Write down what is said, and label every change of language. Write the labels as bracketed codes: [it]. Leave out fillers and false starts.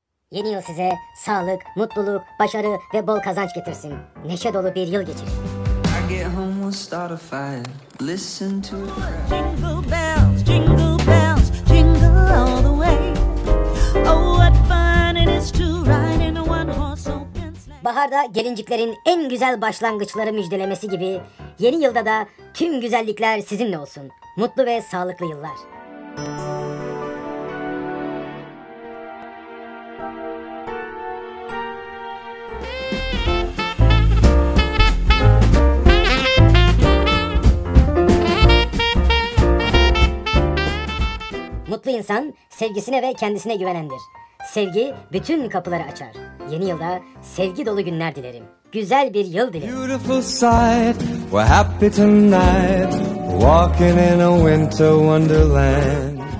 [tr] Yeni yıl size sağlık, mutluluk, başarı ve bol kazanç getirsin. Neşe dolu bir yıl geçirsin. [en] Get home, we'll start a fire. Listen to it. Jingle bells, jingle bells, jingle all the way. Oh, what fun it is to ride in a one-horse open sleigh. [tr] Baharda gelinciklerin en güzel başlangıçları müjdelemesi gibi, yeni yılda da tüm güzellikler sizinle olsun. Mutlu ve sağlıklı yıllar. Mutlu insan sevgisine ve kendisine güvenendir. Sevgi bütün kapıları açar. Yeni yılda sevgi dolu günler dilerim. Güzel bir yıl dilerim. [en] Beautiful sight, we're happy tonight, walking in a winter wonderland.